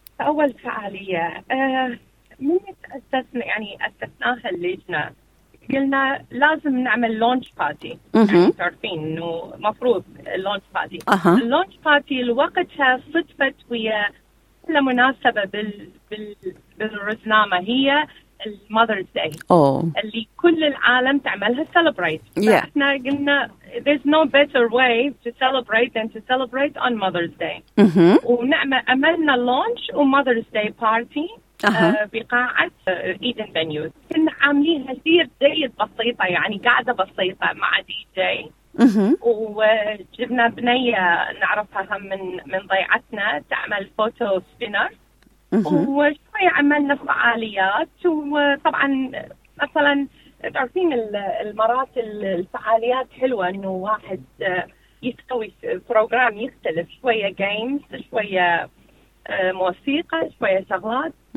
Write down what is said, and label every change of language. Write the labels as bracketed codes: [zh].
[ar] أول فعالية من أسسنا يعني أسسناها اللجنة قلنا لازم نعمل launch party. تعرفين إنه مفروض launch party. launch party الوقتها صدفت ويا كل مناسبة بالرزنامة هي Mother's Day اللي كل العالم تعملها celebrate. إحنا قلنا [en] there's no better way to celebrate than to celebrate on Mother's Day. [ar] عملنا launch و Mother's Day party بقاعة Eden Venues. كنا عاملين هذير زي بسيطة يعني قاعدة بسيطة مع DJ. وجبنا بنية نعرفها من ضيعتنا تعمل فوتو سبينر. وشوية عملنا فعاليات، وطبعا مثلا تعرفين المرات الفعاليات حلوة انه واحد يسوي بروجرام يختلف، شوية جيمز شوية موسيقى شوية شغلات.